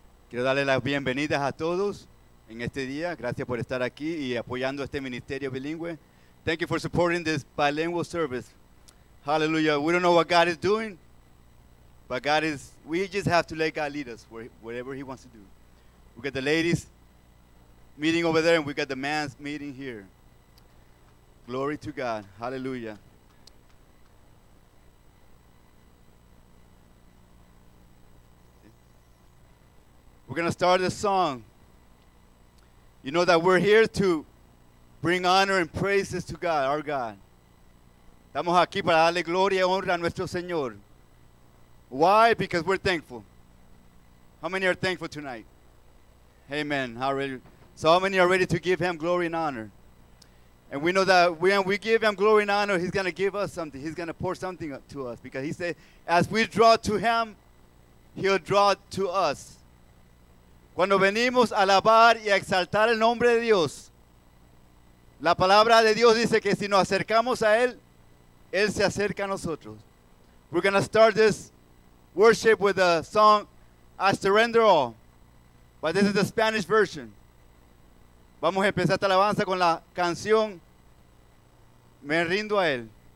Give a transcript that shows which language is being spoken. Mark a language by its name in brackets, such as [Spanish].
[Spanish] Quiero darle las bienvenidas a todos en este día. Gracias por estar aquí y apoyando este ministerio bilingüe. [English] Thank you for supporting this bilingual service. Hallelujah. We don't know what God is doing, but God is, we just have to let God lead us whatever he wants to do. We got the ladies meeting over there and we got the men's meeting here. Glory to God. Hallelujah. We're going to start a song. You know that we're here to bring honor and praises to God, our God. [Spanish] Estamos aquí para darle gloria y honra a nuestro Señor. [English] Why? Because we're thankful. How many are thankful tonight? Amen. So how many are ready to give him glory and honor? And we know that when we give him glory and honor, he's going to give us something. He's going to pour something to us. Because he said, as we draw to him, he'll draw to us. [Spanish] Cuando venimos a alabar y a exaltar el nombre de Dios, la palabra de Dios dice que si nos acercamos a Él, Él se acerca a nosotros. [English] We're going to start this worship with the song, I Surrender All. But this is the Spanish version. [Spanish] Vamos a empezar esta alabanza con la canción, Me Rindo a Él.